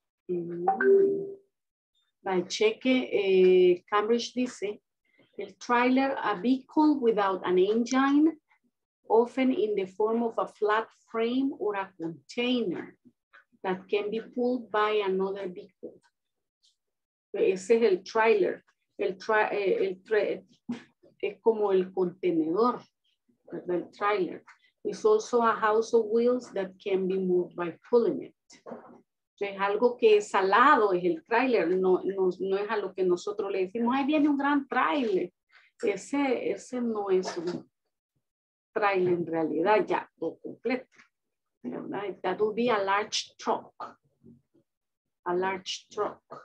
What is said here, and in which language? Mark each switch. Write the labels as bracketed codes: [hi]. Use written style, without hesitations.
[en] Mm-hmm. [es] Cheque, Cambridge dice, el trailer, [en] a vehicle without an engine, often in the form of a flat frame or a container that can be pulled by another vehicle. [es] Ese es el trailer, es como el contenedor, ¿verdad? El trailer. [en] It's also a house of wheels that can be moved by pulling it. [es] Entonces, algo que es alado es el trailer, no es a lo que nosotros le decimos, ahí viene un gran trailer. Ese no es un trailer en realidad, ya, todo completo. [en] ¿Verdad? That would be a large truck. A large truck.